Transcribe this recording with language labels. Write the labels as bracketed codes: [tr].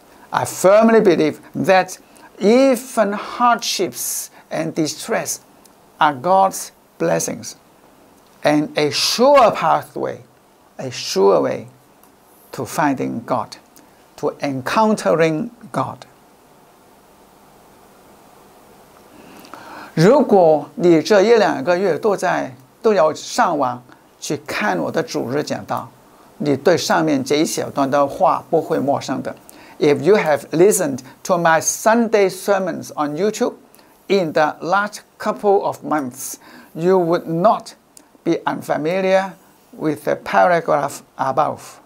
[en] I firmly believe that even hardships and distress are God's blessings and a sure pathway, a sure way to finding God, to encountering God. [zh] 如果你这一两个月都要上网去看我的主日讲道，你对上面这一小段的话不会陌生的。 [en] If you have listened to my Sunday sermons on YouTube in the last couple of months, you would not be unfamiliar with the paragraph above.